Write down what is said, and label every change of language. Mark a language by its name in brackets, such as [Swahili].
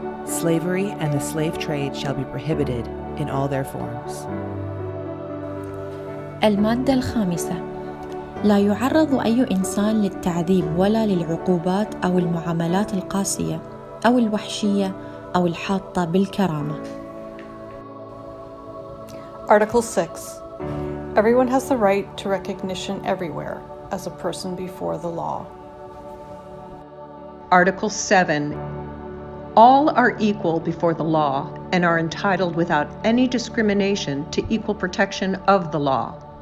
[English] Slavery and the slave trade shall be prohibited in all their forms. [Arabic] المادة الخامسة. لا يعرض أي إنسان للتعذيب ولا للعقوبات أو المعاملات القاسية أو الوحشية أو الحاطة بالكرامة. [English] Article 6. Everyone has the right to recognition everywhere as a person before the law. Article 7. All are equal before the law and are entitled without any discrimination to equal protection of the law.